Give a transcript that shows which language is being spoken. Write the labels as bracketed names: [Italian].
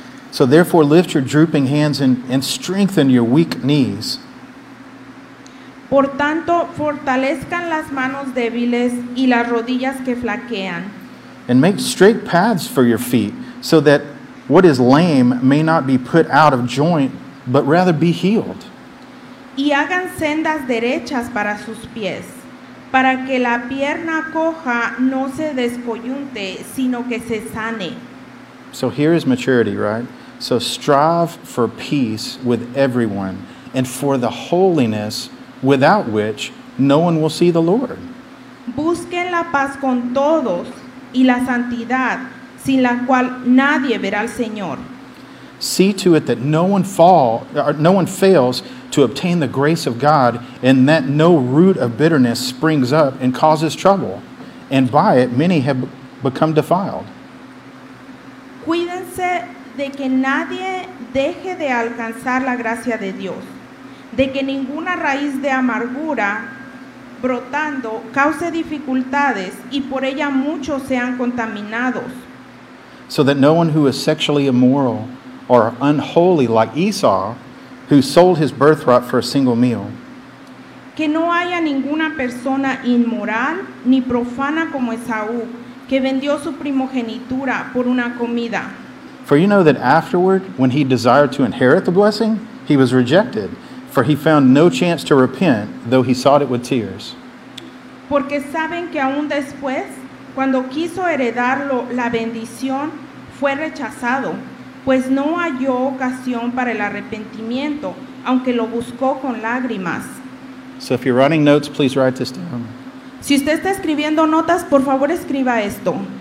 [English] So therefore lift your drooping hands and strengthen your weak knees. [Spanish] Por tanto, fortalezcan las manos débiles y las rodillas que flaquean. [English] And make straight paths for your feet, so that what is lame may not be put out of joint, but rather be healed. [Spanish] Y hagan sendas derechas para sus pies, para que la pierna coja no se descoyunte, sino que se sane. [English] So here is maturity, right? So strive for peace with everyone and for the holiness without which no one will see the Lord. [Spanish] Busquen la paz con todos y la santidad, sin la cual nadie verá al Señor. [English] See to it that no one fails to obtain the grace of God, and that no root of bitterness springs up and causes trouble, and by it many have become defiled. [Spanish] Cuídense de que nadie deje de alcanzar la gracia de Dios, de que ninguna raíz de amargura brotando cause dificultades y por ella muchos sean contaminados. [English] so that no one who is sexually immoral or unholy like Esau, who sold his birthright for a single meal. [Spanish] Que no haya ninguna persona inmoral ni profana como Esaú, que vendió su primogenitura por una comida. [English] For you know that afterward, when he desired to inherit the blessing, he was rejected, for he found no chance to repent, though he sought it with tears. [Spanish] Porque saben que aún después, cuando quiso heredarlo, la bendición fue rechazado, pues no halló ocasión para el arrepentimiento, aunque lo buscó con lágrimas. [English] So if you're writing notes, please write this down. [Spanish] Si usted está escribiendo notas, por favor escriba esto.